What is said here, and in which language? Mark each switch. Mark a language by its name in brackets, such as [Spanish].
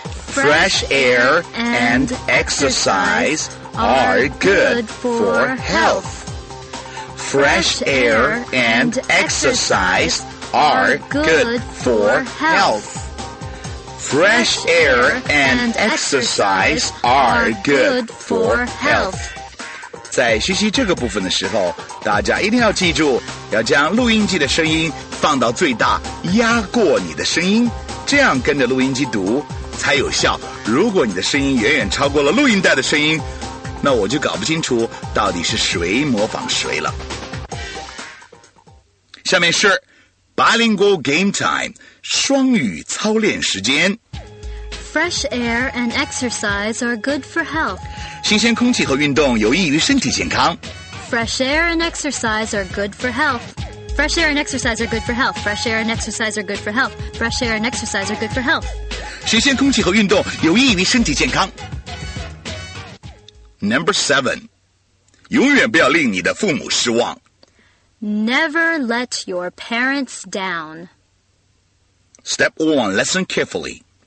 [English] Fresh air and exercise are good for health. Fresh air and exercise are good for health. Fresh air and exercise are good for health. [Chinese] 在学习这个部分的时候，大家一定要记住，要将录音机的声音放到最大，压过你的声音，这样跟着录音机读才有效。如果你的声音远远超过了录音带的声音，那我就搞不清楚到底是谁模仿谁了。下面是 [English] Bilingual Game Time [Chinese] 双语操练时间。 [English] Fresh air and exercise are good for health. [Chinese] 新鲜空气和运动有益于身体健康。 [English] Fresh air and exercise are good for health. Fresh air and exercise are good for health. Fresh air and exercise are good for health. Fresh air and exercise are good for health. [Chinese] 新鲜空气和运动有益于身体健康。 [English] Number 7. [Chinese] 永远不要令你的父母失望。 [English] Never let your parents down. Step 1. Listen carefully.